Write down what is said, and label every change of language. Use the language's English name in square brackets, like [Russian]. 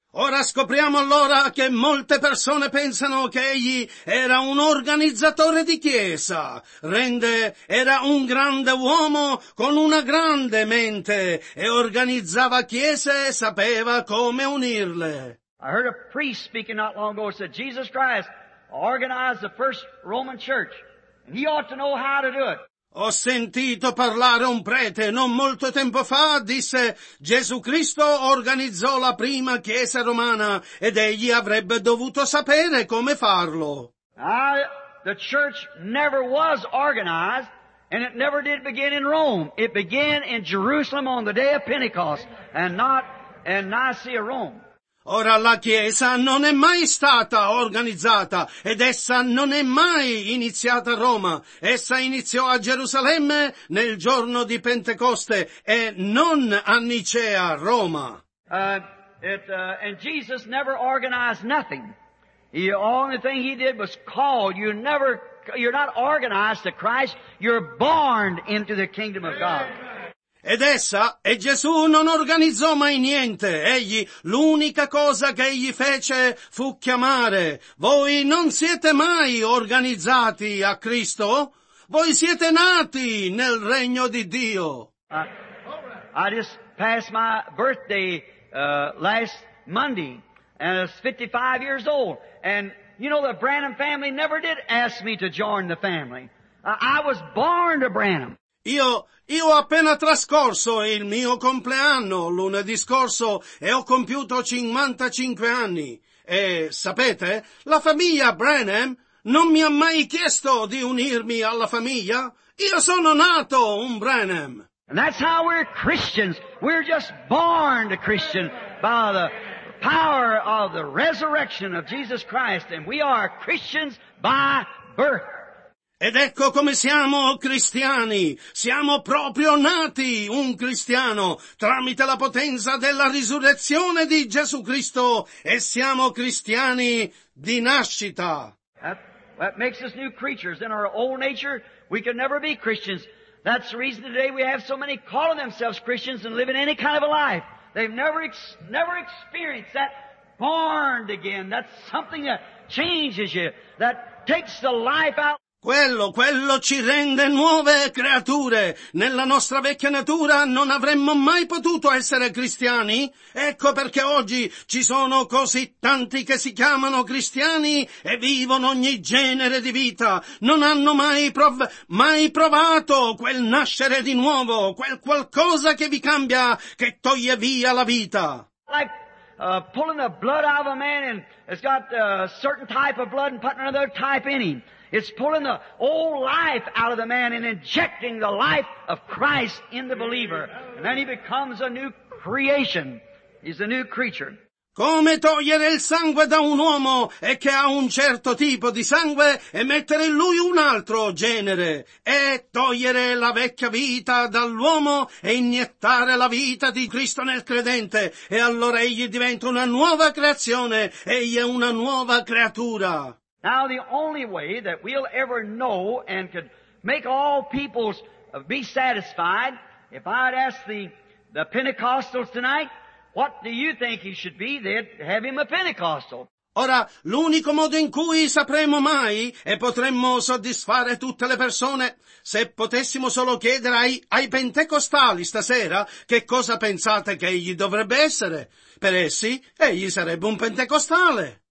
[Italian] Ora scopriamo allora che molte persone pensano che egli era un organizzatore di chiesa. Era un grande uomo con una grande mente e organizzava chiese e sapeva come unirle. [English] I heard a priest speaking not long ago said Jesus Christ organized the first Roman church and he ought to know how to do it. [Italian] Ho sentito parlare un prete non molto tempo fa, disse, Gesù Cristo organizzò la prima chiesa romana ed egli avrebbe dovuto sapere come farlo. [English] The church never was organized and it never did begin in Rome. It began in Jerusalem on the day of Pentecost and not in Nicaea, Rome. [Italian] Ora la Chiesa non è mai stata organizzata ed essa non è mai iniziata a Roma. Essa iniziò a Gerusalemme nel giorno di Pentecoste e non a Nicea, Roma. [English] And Jesus never organized nothing. The only thing he did was call. You're not organized to Christ. You're born into the kingdom of God. [Italian] E Gesù non organizzò mai niente. Egli, l'unica cosa che egli fece fu chiamare. Voi non siete mai organizzati a Cristo? Voi siete nati nel regno di Dio. [English] I just passed my birthday last Monday, and I was 55 years old. And you know, the Branham family never did ask me to join the family. I was born to Branham. [Italian] Io ho appena trascorso il mio compleanno lunedì scorso e ho compiuto 55 anni. E, sapete, la famiglia Branham non mi ha mai chiesto di unirmi alla famiglia. Io sono nato un Branham. [English] And that's how we're Christians. We're just born a Christian by the power of the resurrection of Jesus Christ. And we are Christians by birth. [Italian] Ed ecco come siamo cristiani, siamo proprio nati un cristiano tramite la potenza della risurrezione di Gesù Cristo e siamo cristiani di nascita. [English] That makes us new creatures. In our old nature, we could never be Christians. That's the reason today we have so many calling themselves Christians and living any kind of a life. They've never experienced that born again. That's something that changes you, that takes the life out. [Italian] Quello ci rende nuove creature. Nella nostra vecchia natura non avremmo mai potuto essere cristiani. Ecco perché oggi ci sono così tanti che si chiamano cristiani e vivono ogni genere di vita. Non hanno mai provato quel nascere di nuovo, quel qualcosa che vi cambia, che toglie via la vita. [English] Pulling the blood out of a man and it's got a certain type of blood and putting another type in him. It's pulling the old life out of the man and injecting the life of Christ in the believer. And then he becomes a new creation. He's a new creature. [Italian] Come togliere il sangue da un uomo e che ha un certo tipo di sangue e mettere in lui un altro genere. E togliere la vecchia vita dall'uomo e iniettare la vita di Cristo nel credente. E allora egli diventa una nuova creazione. Egli è una nuova creatura. [English] Now the only way that we'll ever know and could make all peoples be satisfied, if I'd ask the Pentecostals tonight, what do you think he should be? They'd have him a Pentecostal. [Italian] Ora, l'unico modo in cui sapremo mai e potremmo soddisfare tutte le persone, se potessimo solo chiedere ai pentecostali stasera che cosa pensate che egli dovrebbe essere, per essi egli sarebbe un pentecostale.